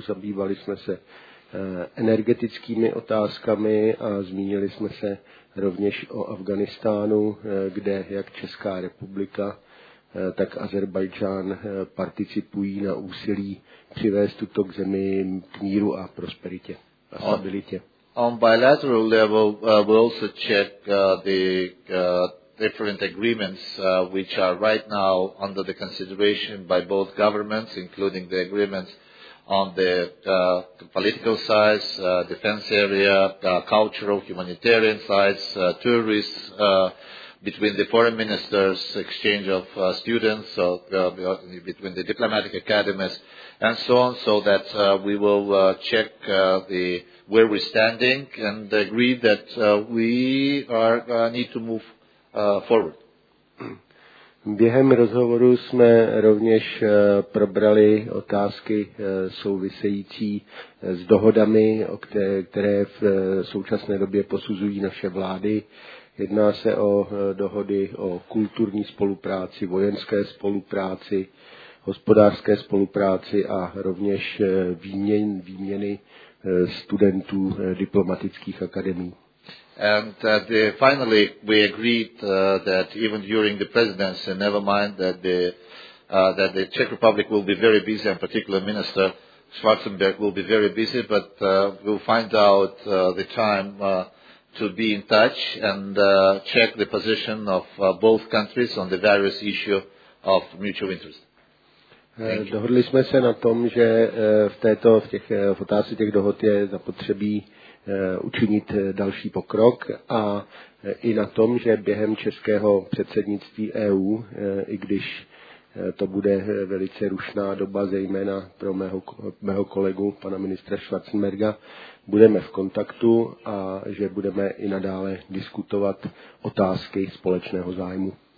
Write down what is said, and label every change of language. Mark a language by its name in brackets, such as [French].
[Czech] Zabývali jsme se energetickými otázkami a zmínili jsme se rovněž o Afghánistánu, kde jak Česká republika, tak Azerbajdžán participují na úsilí přivést tuto k zemi k míru a prosperitě a stabilitě. [English] On bilateral level, we also check the different agreements which are right now under the consideration by both governments, including the agreements on the political sides, defense area, cultural, humanitarian sides, tourists, between the foreign ministers, exchange of students, so, between the diplomatic academies, and so on, so that we will check where we're standing and agree that we need to move forward. [Czech] Během rozhovoru jsme rovněž probrali otázky související s dohodami, které v současné době posuzují naše vlády. Jedná se o dohody o kulturní spolupráci, vojenské spolupráci, hospodářské spolupráci a rovněž výměny studentů diplomatických akademií. [English] And finally, we agreed that even during the presidency, never mind that the Czech Republic will be very busy, and particularly Minister Schwarzenberg will be very busy, but we'll find out the time to be in touch and check the position of both countries on the various issue of mutual interest. [Czech] Dohodli jsme se na tom, že v otázce těch dohod je zapotřebí učinit další pokrok a i na tom, že během českého předsednictví EU, i když to bude velice rušná doba, zejména pro mého kolegu, pana ministra Schwarzenberga, budeme v kontaktu a že budeme i nadále diskutovat otázky společného zájmu.